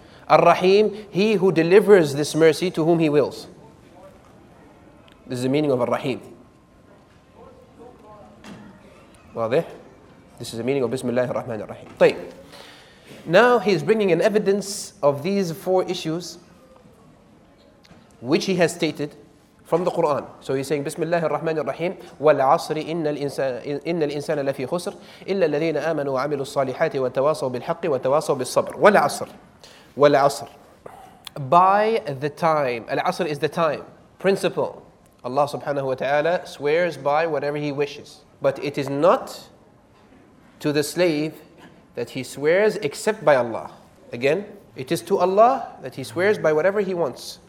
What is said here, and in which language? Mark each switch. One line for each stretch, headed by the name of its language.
English: Ar-Rahim, He who delivers this mercy to whom He wills. This is the meaning of Ar-Rahim. Wadih? This is the meaning of Bismillah ar-Rahman ar-Rahim.
Arabic: طيب.
English: Now he is bringing an evidence of these four issues which he has stated from the Quran. So he's saying Bismillah ar-Rahman ar-Rahim.
Arabic: والعصر إن الإنسان لفي خسر إلا الذين آمنوا وعملوا الصالحات وتواصوا بالحق وتواصوا بالصبر. والعصر. والعصر.
English: By the time. Al-Asr is the time. Principle. Allah subhanahu wa ta'ala swears by whatever he wishes. But it is not to the slave that he swears except by Allah. Again, it is to Allah that he swears by whatever he wants.